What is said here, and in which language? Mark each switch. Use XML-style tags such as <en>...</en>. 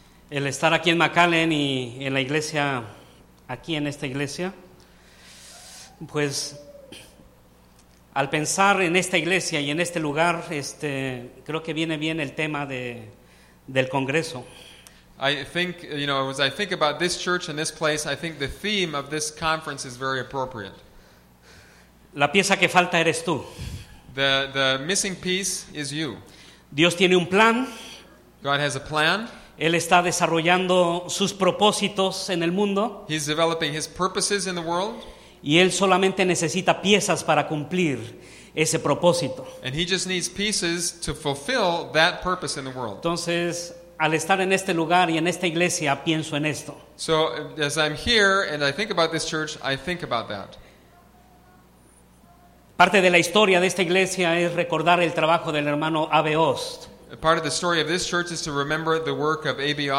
<es>El estar aquí en McAllen y en la iglesia, aquí en esta iglesia, pues al pensar en esta iglesia y en este lugar, creo que viene bien el tema del congreso.</es> <en>I think, you know, as I think about this church and this place, I think the theme of this conference is very appropriate.</en> <es>La pieza que falta eres tú.</es> <en>The missing piece is you.</en> <es>Dios tiene un plan.</es> <en>God has a plan.</en> <es>Él está desarrollando sus propósitos en el mundo.</es> <en>He's developing his purposes in the world.</en> <es>Y él solamente necesita piezas para cumplir ese propósito.</es> <en>And he just needs pieces to fulfill that purpose in the world.</en> <es>Entonces, al estar en este lugar y en esta iglesia, pienso en esto.</es> <en>So, as I'm here and I think about this church, I think about that.</en> <es>Parte de la historia de esta iglesia es recordar el trabajo del hermano A.B. Ost.</es> <en>Part of the story of this church is to remember the work of A.B.</en>